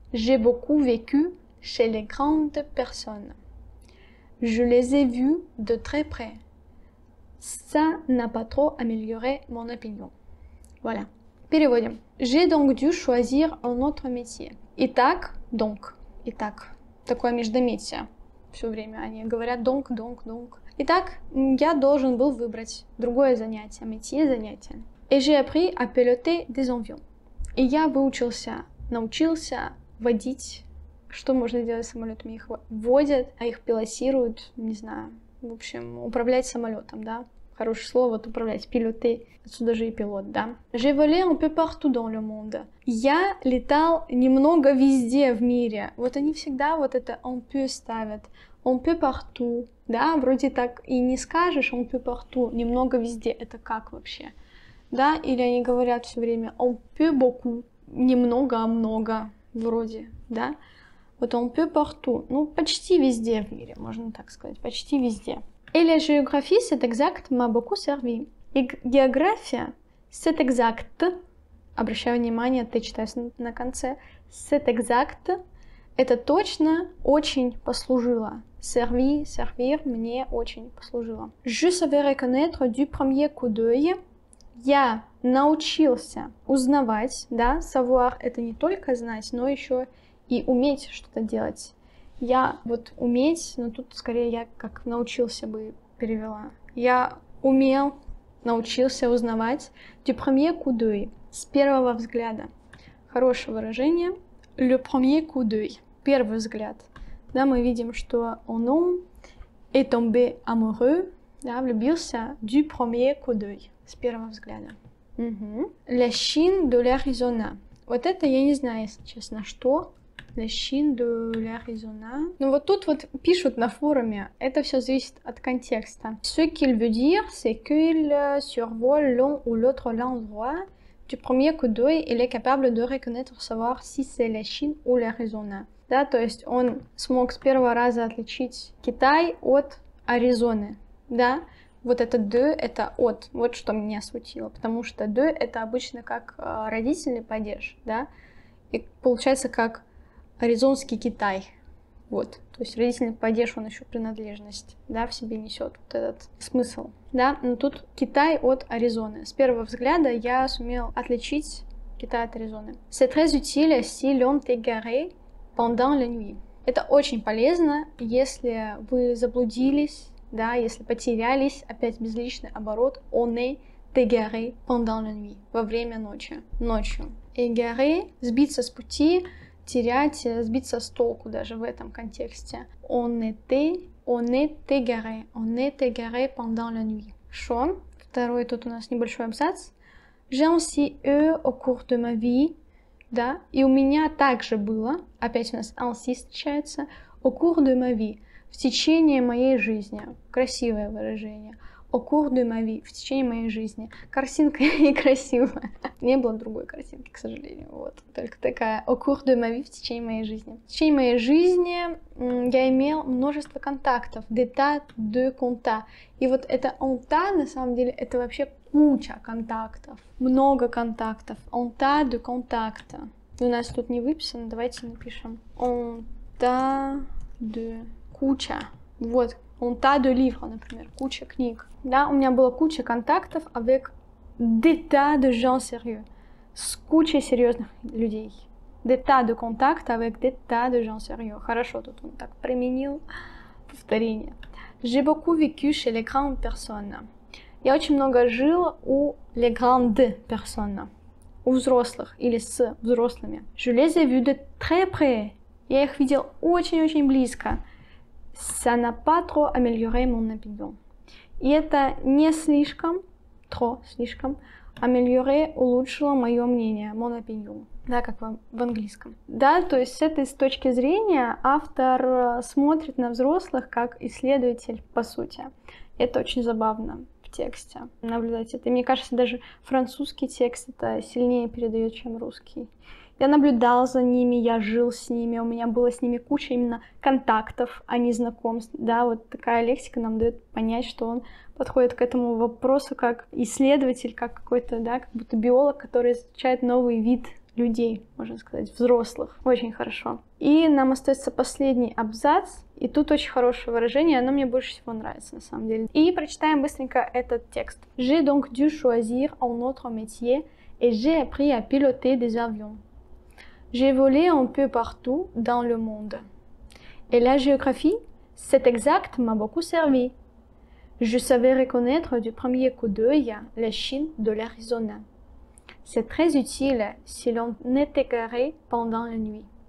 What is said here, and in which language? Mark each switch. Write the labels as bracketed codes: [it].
[fr] J'ai beaucoup vécu chez les grandes personnes. Je les ai vus de très près. Ça n'a pas trop amélioré mon opinion. Voilà. [ru] Переводим. [fr] J'ai donc dû choisir un autre métier. [ru] Итак, donc. Итак, такое междометие. Все время они говорят [fr] donc, donc, donc. [ru] Итак, я должен был выбрать другое занятие, métier, занятие. [fr] Et j'ai appris à piloter des avions. [ru] И я выучился, научился водить. Что можно делать с самолетами? Их водят, а их пилотируют, не знаю. В общем, управлять самолетом, да? Хорошее слово, вот управлять, пилотер. Отсюда же и пилот, да? [fr] J'ai volé un peu partout dans le monde. [ru] Я летал немного везде в мире. Вот они всегда вот это un peu ставят. [fr] Un peu partout, да? [ru] Вроде так и не скажешь [fr] un peu partout, [ru] немного везде. Это как вообще? Да? Или они говорят все время [fr] un peu beaucoup, [ru] немного, а много, вроде, да? Вот [fr] un peu partout, [ru] ну почти везде в мире, можно так сказать, почти везде. [fr] Et la géographie, c'est exact, m'a beaucoup servi. [ru] И география, [fr] c'est exact, [ru] обращаю внимание, ты читаешь на конце, c'est exact, это точно очень послужило. Servi, servir, мне очень послужило. [fr] Je savais reconnaître du premier coup d'œil. [ru] Я научился узнавать, да, savoir, это не только знать, но еще и уметь что-то делать. Я вот уметь, но тут скорее я как научился бы перевела. Я умел, научился узнавать. [fr] Du premier coup d'œil. [ru] С первого взгляда. Хорошее выражение. [fr] Le premier coup d'œil. [ru] Первый взгляд. Да, мы видим, что [fr] un homme est tombé amoureux. [ru] Да, влюбился. [fr] Du premier coup d'œil. [ru] С первого взгляда. Угу. [fr] La Chine de l'Arizona. [ru] Вот это я не знаю, если честно, что... [fr] La Chine de l'Arizona. [ru] Ну вот тут вот пишут на форуме, это все зависит от контекста. [fr] Ce qu'il veut dire, c'est qu'il survole l'un ou l'autre l'endroit. Du premier coup d'œil, il est capable de reconnaître, savoir si c'est la Chine ou l'Arizona. [ru] Да, то есть он смог с первого раза отличить Китай от Аризоны. Да, вот это de, это от. Вот что меня смутило, потому что de, это обычно как родительный падеж, да. И получается как... Аризонский Китай, вот, то есть родительный падеж, он еще принадлежность, да, в себе несет вот этот смысл, да, но тут Китай от Аризоны, с первого взгляда я сумел отличить Китай от Аризоны. [fr] C'est très utile si l'on est garé pendant la nuit. [ru] Это очень полезно, если вы заблудились, да, если потерялись, опять безличный оборот, [fr] on est garé pendant la nuit, [ru] во время ночи, ночью. Garé, сбиться с пути, терять, сбиться с толку даже в этом контексте. [fr] On est égaré, on est égaré pendant la nuit. [ru] Что? Второй тут у нас небольшой абзац. [fr] J'ai aussi eu au cours de ma vie, [ru] да, и у меня также было, опять у нас aussi встречается, [fr] au cours de ma vie, [ru] в течение моей жизни. Красивое выражение. [fr] Au cours de ma vie, [ru] в течение моей жизни. Картинка некрасивая. Не было другой картинки, к сожалению. Вот, только такая. [fr] Au cours de ma vie, [ru] в течение моей жизни. В течение моей жизни я имел множество контактов. [fr] D'état de compta. [ru] И вот это on ta, на самом деле, это вообще куча контактов. Много контактов. On ta de contacta. У нас тут не выписано, давайте напишем. On ta de... Куча. Вот. [fr] Un tas de livres, [ru] например, куча книг. Да, у меня было куча контактов [fr] avec des tas de gens sérieux. [ru] С кучей серьезных людей. [fr] Des tas de contacts avec des tas de gens sérieux. [ru] Хорошо, тут он так применил повторение. [fr] J'ai beaucoup vécu chez les grandes personnes. [ru] Я очень много жил у [fr] les grandes personnes. [ru] У взрослых или с взрослыми. [fr] Je les ai vus de très près. [ru] Я их видел очень-очень близко. [fr] Ça n'a pas trop amélioré mon opinion. [ru] И это не слишком, trop, слишком, amélioré, улучшило мое мнение, [fr] mon opinion. [ru] Да, как в английском. Да, то есть с этой точки зрения автор смотрит на взрослых как исследователь, по сути. Это очень забавно в тексте наблюдать это. И мне кажется, даже французский текст это сильнее передает, чем русский. Я наблюдал за ними, я жил с ними, у меня было с ними куча именно контактов, а не знакомств. Да, вот такая лексика нам дает понять, что он подходит к этому вопросу как исследователь, как какой-то, да, как будто биолог, который изучает новый вид людей, можно сказать, взрослых. Очень хорошо. И нам остается последний абзац, и тут очень хорошее выражение, оно мне больше всего нравится, на самом деле. И прочитаем быстренько этот текст. [fr] J'ai donc dû choisir un autre métier. et j'ai appris à piloter des avions. J'ai volé un peu partout dans le monde. Et la géographie, c'est exact, m'a beaucoup servi. Je savais reconnaître du premier coup d'œil la Chine de l'Arizona. C'est très utile si l'on est égaré pendant la nuit.